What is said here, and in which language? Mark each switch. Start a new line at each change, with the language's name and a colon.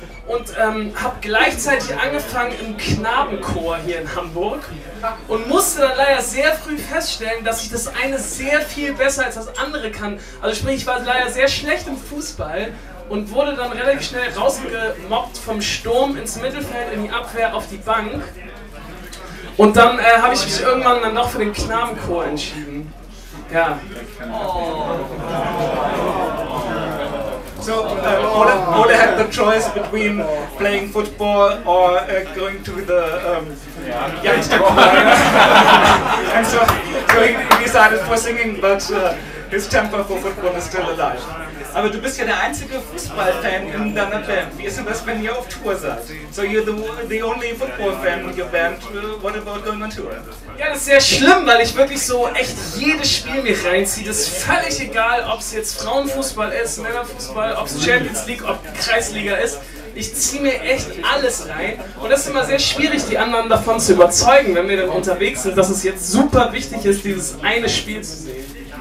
German: Und habe gleichzeitig angefangen im Knabenchor hier in Hamburg und musste dann leider sehr früh feststellen, dass ich das eine sehr viel besser als das andere kann. Also sprich, ich war leider sehr schlecht im Fußball. Und wurde dann relativ schnell rausgemobbt vom Sturm ins Mittelfeld, in die Abwehr, auf die Bank. Und dann habe ich mich irgendwann dann noch für den Knabenchor entschieden. Ja.
English: So, Ole had the choice between playing football or going to the youngster choir. And so he decided for singing, but his temper for football is still alive.
German: Aber du bist ja der einzige Fußballfan in deiner Band. Wie ist das, wenn ihr auf Tour seid?
English: So you're the only football fan in your band. What about going on tour?
German: Ja, das ist sehr schlimm, weil ich wirklich so echt jedes Spiel mich reinziehe. Das ist völlig egal, ob es jetzt Frauenfußball ist, Männerfußball, ob es Champions League, ob Kreisliga ist. Ich ziehe mir echt alles rein und es ist immer sehr schwierig, die anderen davon zu überzeugen, wenn wir dann unterwegs sind, dass es jetzt super wichtig ist, dieses eine Spiel zu sehen.